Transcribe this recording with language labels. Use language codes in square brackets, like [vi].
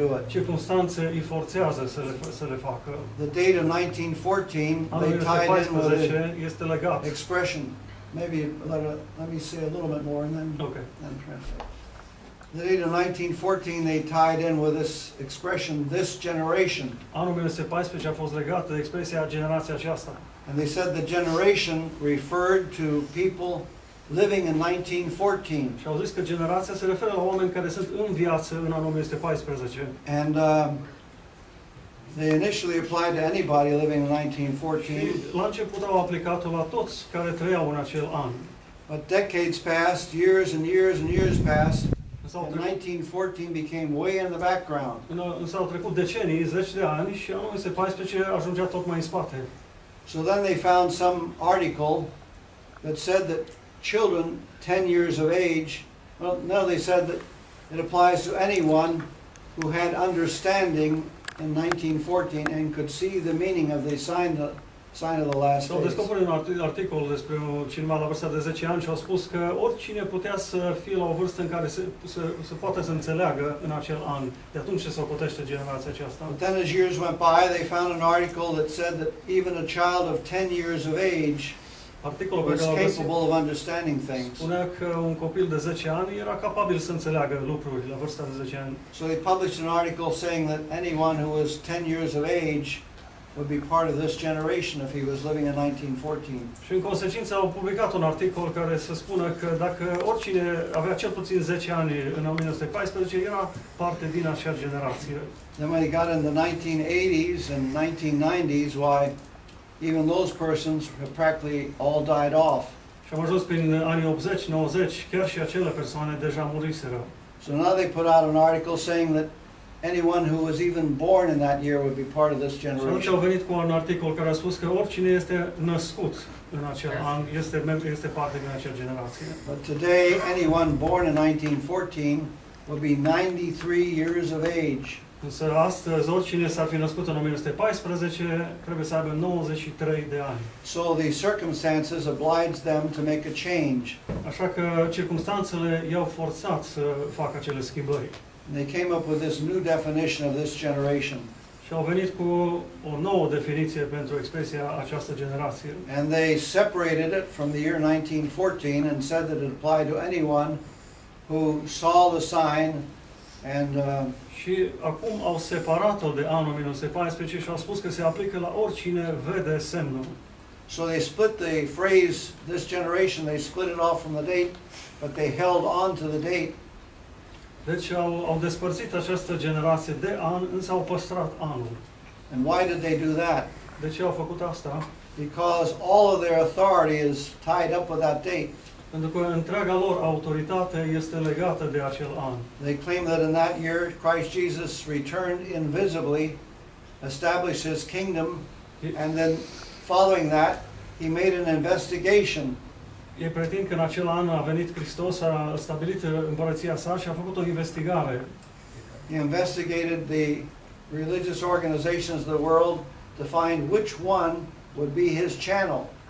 [en] circumstances [ro] îi forțează să le facă. [en] The date of 1914, they tied in with it. [ro] Este legat. [en] Expression. Maybe let me say a little bit more and then okay. The date of 1914 they tied in with this expression, this generation. [ro] Anul 1914 a fost legat de expresia generația aceasta. [en] And they said the generation referred to people living in 1914. [ro] Și au zis că generația se referă la oameni care sunt în viață în anul 1914. [en] And they initially applied to anybody living in 1914. [ro] La început au aplicat-o la toți care trăiau în acel an. [en] But decades passed, years and years and years passed. And 1914 became way in the background. [ro] Însă au trecut decenii, zeci de ani, și anul 1914 ajungea tocmai în spate. [en] So then they found some article that said that children 10 years of age, well, no, they said that it applies to anyone who had understanding in 1914 and could see the meaning of the sign of the last days. [ro] S-au descoperit un articol despre cineva la vârsta de 10 ani și au spus că oricine putea să fie la o vârstă în care se poate să înțeleagă în acel an. De atunci ce se ocotește generația aceasta. [en] But then as years went by, they found an article that said that even a child of 10 years of age was capable of understanding things. [ro] Spunea că un copil de 10 ani era capabil să înțeleagă lucruri la vârsta de 10 ani. [en] So they published an article saying that anyone who was 10 years of age would be part of this generation if he was living in 1914. [ro] Și în consecință au publicat un articol care să spună că dacă oricine avea cel puțin 10 ani în 1914, era parte din acea generație. [en] Then when he got in the 1980s and 1990s, why, even those persons have practically all died off. [ro] Și am ajuns prin anii 80-90, chiar și acele persoane deja muriseră. [en] So now they put out an article saying that anyone who was even born in that year would be part of this generation. [ro] Și au venit cu un articol care a spus că oricine este născut în acel an este parte din acea generație. [en] But today, anyone born in 1914 will be 93 years of age. [ro] Însă astăzi, oricine s-ar fi născut în 1914, trebuie să aibă 93 de ani. [en] So the circumstances oblige them to make a change. [ro] Așa că circumstanțele i-au forțat să facă acele schimbări. [en] And they came up with this new definition of this generation. [ro] Și au venit cu o nouă definiție pentru expresia această generație. [en] And they separated it from the year 1914 and said that it applied to anyone who saw the sign and [ro] și acum au separat-o de anul 1914 și au spus că se aplică la oricine vede semnul. [en] So they split the phrase this generation, they split it off from the date, but they held on to the date. [ro] Deci au despărțit această generație de an, însă au păstrat anul. [en] And why did they do that? [ro] De ce au făcut asta? [en] Because all of their authority is tied up with that date. [ro] Pentru că întreaga lor autoritate este legată de acel an. [en] They claim that in that year Christ Jesus returned invisibly, established his kingdom, and then following that, he made an investigation. [ro] Ei pretind că în acel an a venit Hristos, a stabilit împărăția sa și a făcut o investigare. [en] He investigated the religious organizations of the world to find which one would be his channel.